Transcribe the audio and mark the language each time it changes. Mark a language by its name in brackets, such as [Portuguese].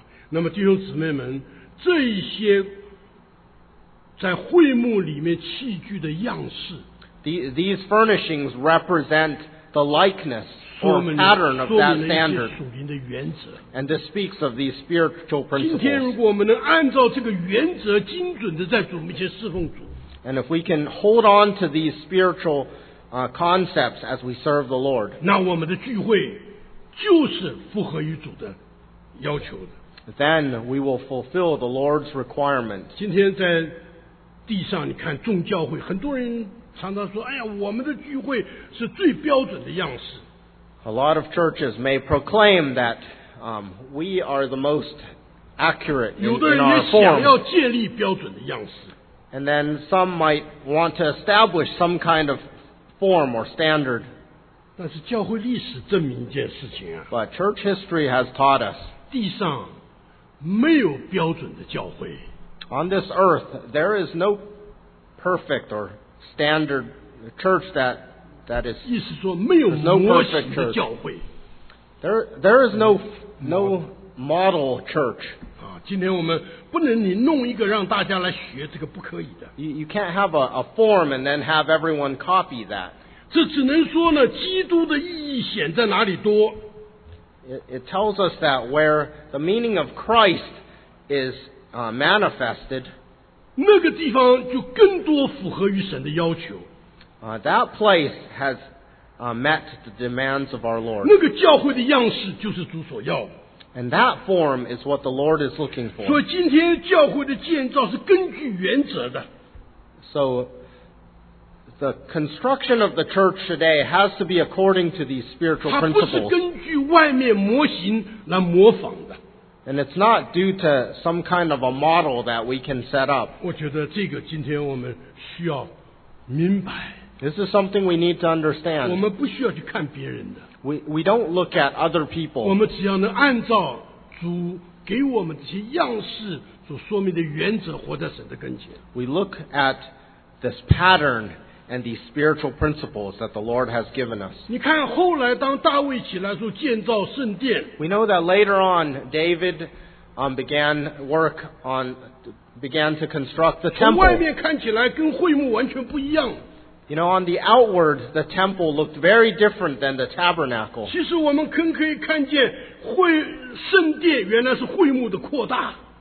[Chinese] 那么弟兄姊妹们，这一些在会幕里面器具的样式， [English] These furnishings represent the likeness or pattern of that standard. [Chinese] 说明了一些属灵的原则。 [English] And this speaks of these spiritual principles. [Chinese] 今天如果我们能按照这个原则精准的在主面前侍奉主， [English] And if we can hold on to these spiritual concepts as we serve the Lord, [Chinese] 那我们的聚会就是符合于主的要求的。 [English] Then we will fulfill the Lord's requirement. [Chinese] 今天在地上，你看众教会，很多人常常说：“哎呀，我们的聚会是最标准的样式。” [English] A lot of churches may proclaim that we are the most accurate in our form. [Chinese] 有的人也想要建立标准的样式。 [English] And then some might want to establish some kind of form or standard. [Chinese] 但是教会历史证明一件事情啊。 [English] But church history has taught us. [Chinese] 地上没有标准的教会。 [English] On this earth, there is no perfect or standard church that is. [Chinese] 意思说没有模型的教会。 [English] There is no model church. [Chinese] 今天我们不能你弄一个让大家来学，这个不可以的。 [English] You can't have a form and then have everyone copy that. [Chinese] 这只能说呢，基督的意义显在哪里多。 [English] It tells us that where the meaning of Christ is manifested, [Chinese] 那个地方就更多符合于神的要求。 [English] That place has met the demands of our Lord. [Chinese] 那个教会的样式就是主所要的。 [English] And that form is what the Lord is looking for. [Chinese] 所以今天教会的建造是根据原则的。 [English] So, the construction of the church today has to be according to these spiritual principles. [Chinese] 它不是根据外面模型来模仿的。 [English] And it's not due to some kind of a model that we can set up. [Chinese] 我觉得这个今天我们需要明白。 [English] This is something we need to understand. [Chinese] 我们不需要去看别人的。 [English] We don't look at other people. [Chinese] 我们只要能按照主给我们这些样式所说明的原则活在神的跟前。 [English] We look at this pattern and these spiritual principles that the Lord has given us. [Chinese] 你看后来当大卫起来说建造圣殿。 [English] We know that later on, David began work on, began to construct the temple. [Chinese] 从外面看起来跟会幕完全不一样。 [English] You know, on the outward, the temple looked very different than the tabernacle. [Chinese] 其实我们更可以看见会圣殿原来是会幕的扩大。